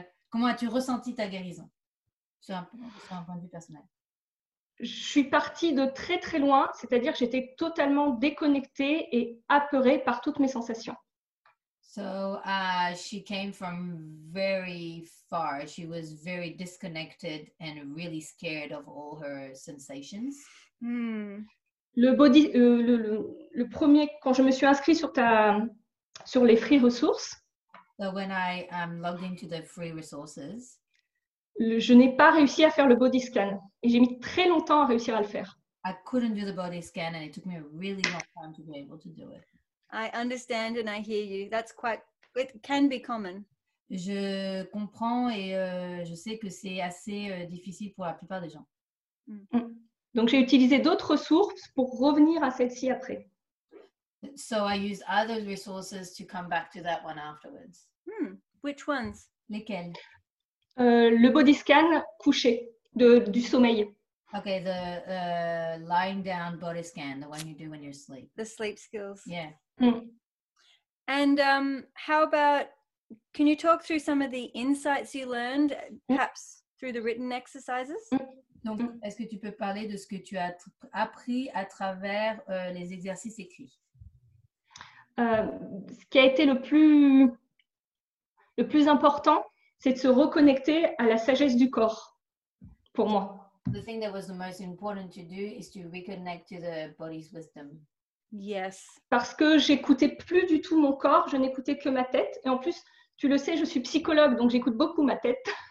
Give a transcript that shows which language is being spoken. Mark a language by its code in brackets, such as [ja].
[fr] Comment as-tu ressenti ta guérison sur un point de vue personnel? Je suis partie de très très loin, c'est-à-dire que j'étais totalement déconnectée et apeurée par toutes mes sensations. [en] So, she came from very far. She was very disconnected and really scared of all her sensations. [fr] Le premier, quand je me suis inscrite sur les free ressources. [en] So when I am logged into the free resources. [fr] Je n'ai pas réussi à faire le body scan et j'ai mis très longtemps à réussir à le faire. [en] I couldn't do the body scan and it took me a really long time to be able to do it. I understand and I hear you. That's quite, it can be common. [fr] Je comprends et je sais que c'est assez difficile pour la plupart des gens. Donc j'ai utilisé d'autres ressources pour revenir à celle-ci après. [en] So I used other resources to come back to that one afterwards. Which ones? [fr] Lesquelles? Le body scan couché du sommeil. [en] Okay, the lying down body scan, the one you do when you're asleep. The sleep skills. Yeah. And how about, can you talk through some of the insights you learned, perhaps through the written exercises? [fr] Donc, est-ce que tu peux parler de ce que tu as appris à travers les exercices écrits? Ce qui a été le plus important, c'est de se reconnecter à la sagesse du corps, pour moi. [en] The thing that was the most important to do is to reconnect to the body's wisdom. Yes. [fr] Parce que j'écoutais plus du tout mon corps, je n'écoutais que ma tête. Et en plus, tu le sais, je suis psychologue, donc j'écoute beaucoup ma tête.